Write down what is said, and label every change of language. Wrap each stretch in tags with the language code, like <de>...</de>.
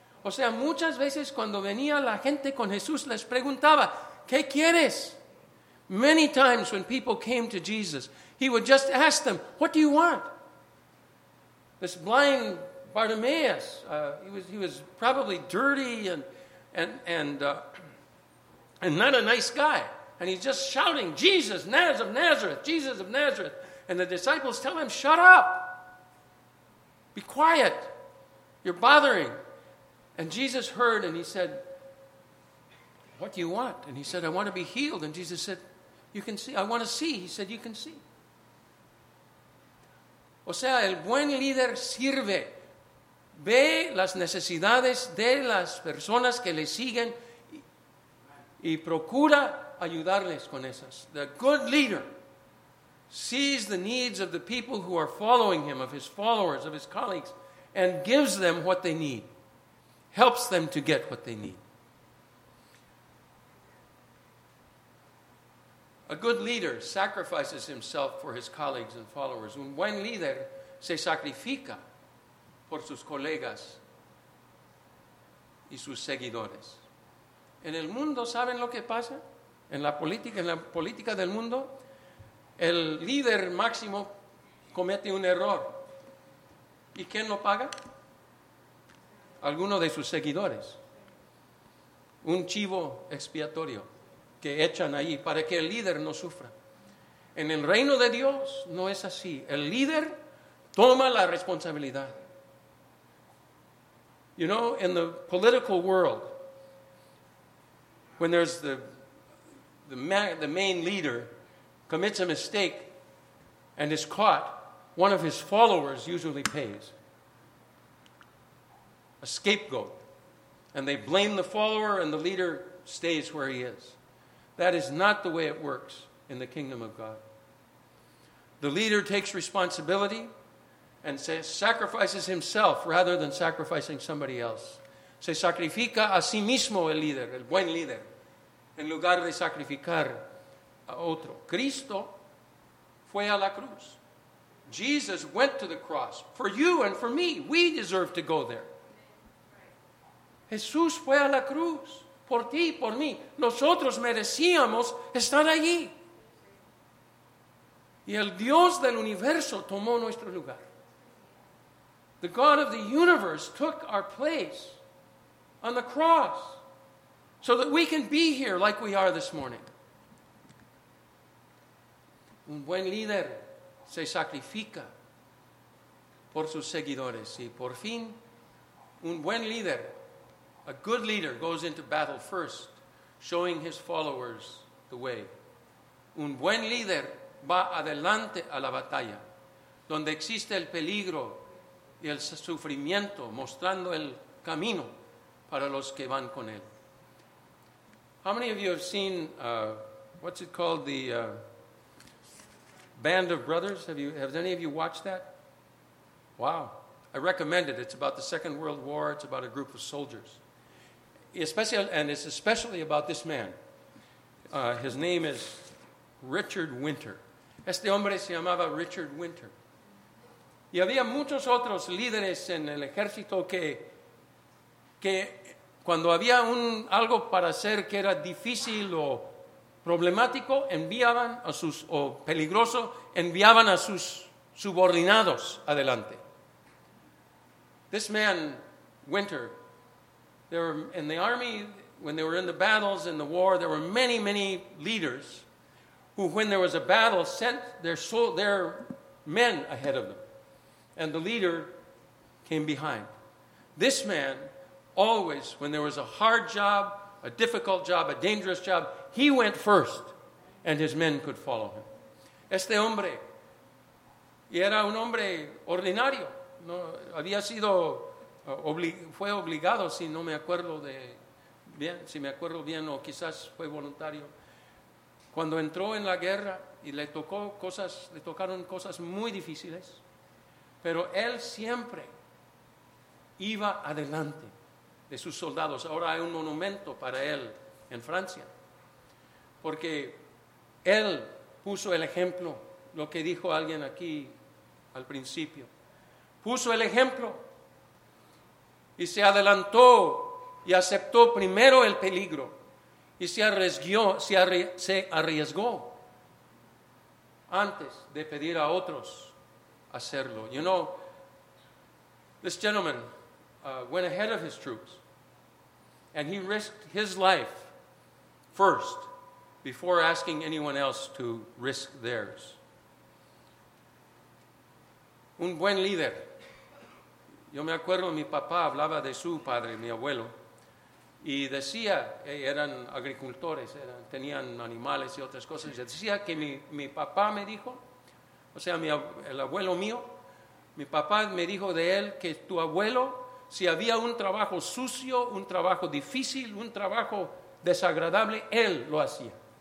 <es>O sea, muchas veces cuando venía la gente con Jesús, les preguntaba, ¿qué quieres?</es> <en>Many times when people came to Jesus, he would just ask them, what do you want? This blind Bartimaeus, he was probably dirty and not a nice guy. And he's just shouting, Jesus, Nazareth of Nazareth, Jesus of Nazareth. And the disciples tell him, shut up. Be quiet. You're bothering. And Jesus heard and he said, what do you want? And he said, I want to be healed. And Jesus said, you can see. I want to see. He said, you can see.</en> <es>O sea, el buen líder sirve. Ve las necesidades de las personas que le siguen y procura ayudarles con esas.</es> <en>The good leader sees the needs of the people who are following him, of his followers, of his colleagues, and gives them what they need, helps them to get what they need. A good leader sacrifices himself for his colleagues and followers.</en> <es>Un buen líder se sacrifica por sus colegas y sus seguidores. En el mundo, ¿saben lo que pasa? En la política del mundo, el líder máximo comete un error. ¿Y quién lo paga? Alguno de sus seguidores. Un chivo expiatorio que echan ahí para que el líder no sufra. En el reino de Dios no es así. El líder toma la responsabilidad.</es> <en>You know, in the political world, when there's the main leader commits a mistake and is caught, one of his followers usually pays. A scapegoat. And they blame the follower and the leader stays where he is. That is not the way it works in the kingdom of God. The leader takes responsibility and says, sacrifices himself rather than sacrificing somebody else.</en> <es>Se sacrifica a sí mismo el líder, el buen líder, en lugar de sacrificar a otro. Cristo fue a la cruz.</es> <en>Jesus went to the cross for you and for me. We deserve to go there.</en> <es>Jesús fue a la cruz por ti, por mí. Nosotros merecíamos estar allí. Y el Dios del universo tomó nuestro lugar.</es> <en>The God of the universe took our place on the cross so that we can be here like we are this morning.</en> <es>Un buen líder se sacrifica por sus seguidores. Y por fin, un buen líder,</es> <en>a good leader, goes into battle first, showing his followers the way.</en> <es>Un buen líder va adelante a la batalla, donde existe el peligro y el sufrimiento, mostrando el camino para los que van con él.</es> <en>How many of you have seen what's it called, the Band of Brothers? Have any of you watched that? Wow. I recommend it. It's about the Second World War. It's about a group of soldiers. It's especially about this man. His name is Richard Winter.</en> <es>Este hombre se llamaba Richard Winter. Y había muchos otros líderes en el ejército que cuando había algo para hacer que era difícil o problemático, enviaban a sus, o peligroso, enviaban a sus subordinados adelante.</es> <en>This man, Winter, there were in the army, when they were in the battles, in the war, there were many, many leaders who, when there was a battle, sent their men ahead of them. And the leader came behind. This man, always, when there was a hard job, a difficult job, a dangerous job, he went first, and his men could follow him.</en> <es>Este hombre, y era un hombre ordinario. No, había sido, fue obligado, si no me acuerdo de bien, si me acuerdo bien, o quizás fue voluntario. Cuando entró en la guerra y le tocaron cosas muy difíciles, pero él siempre iba adelante de sus soldados. Ahora hay un monumento para él en Francia, porque él puso el ejemplo, lo que dijo alguien aquí al principio. Puso el ejemplo y se adelantó y aceptó primero el peligro y se arriesgó antes de pedir a otros hacerlo. You know, this gentleman went ahead of his troops and he risked his life first before asking anyone else to risk theirs. Un buen líder. Yo me acuerdo, mi papá hablaba de su padre, mi abuelo, y decía, eran agricultores, tenían animales y otras cosas, y decía que mi papá me dijo, o sea, el abuelo mío, mi papá me dijo de él que tu abuelo, si había un trabajo sucio, un trabajo difícil, un trabajo desagradable, él lo hacía.</es>